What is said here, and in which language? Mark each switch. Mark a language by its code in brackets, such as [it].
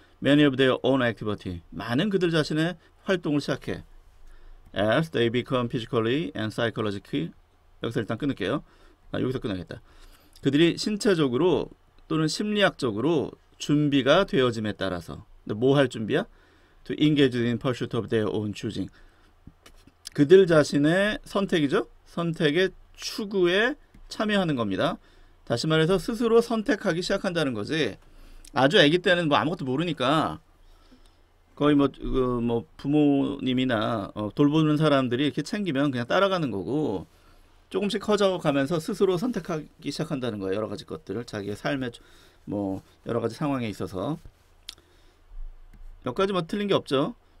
[en] Many of their own activity. [ko] 많은 그들 자신의 활동을 시작해. [en] As they become physically and psychologically. [ko] 여기서 일단 끊을게요. 아, 여기서 끊어야겠다. 그들이 신체적으로 또는 심리학적으로 준비가 되어짐에 따라서. 뭐할 준비야? [en] To engage in pursuit of their own choosing. [ko] 그들 자신의 선택이죠? 선택의 추구에 참여하는 겁니다. 다시 말해서 스스로 선택하기 시작한다는 거지. 아주 아기 때는 뭐 아무것도 모르니까 거의 뭐, 그뭐 부모님이나 돌보는 사람들이 이렇게 챙기면 그냥 따라가는 거고 조금씩 커져 가면서 스스로 선택하기 시작한다는 거예요. 여러 가지 것들을 자기의 삶의 뭐 여러 가지 상황에 있어서 몇 가지 뭐 틀린 게 없죠.